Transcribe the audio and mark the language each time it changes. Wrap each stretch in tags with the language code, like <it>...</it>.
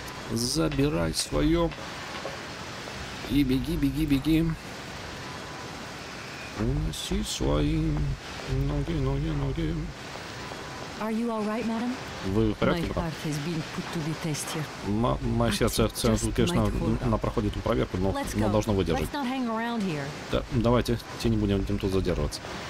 <ru>Забирай свое. И беги, беги, беги. Уноси свои ноги, ноги, ноги.</ru> <en>Are you all right, madam?</en> <ru>Вы в порядке,</ru> <en>my heart has been put to the test here.</en> <ru>Мое сердце, конечно, она проходит проверку, но она должна выдержать.</ru> <en>Let's not hang around here.</en> <ru>Да, давайте, не будем тут задерживаться.</ru>